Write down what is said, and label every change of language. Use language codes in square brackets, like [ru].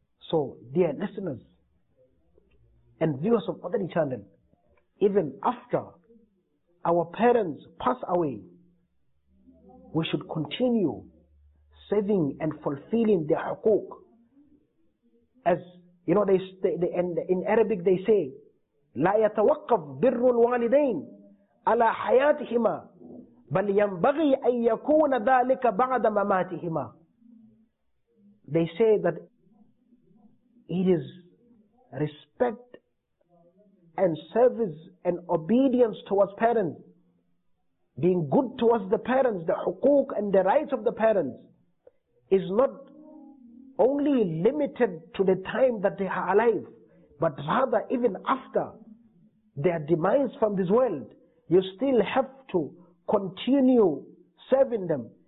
[en] So, dear listeners and viewers of Qadri Channel, even after our parents pass away, we should continue saving and fulfilling their huquq. As you know, in Arabic they say, [ar] لا يتوقف بر الوالدين على حياتهما بل ينبغي أن يكون ذلك بعد مماتهما. [en] They say that it is respect and service and obedience towards parents, being good towards the parents, the huquq and the rights of the parents is not only limited to the time that they are alive, but rather even after their demise from this world, you still have to continue serving them.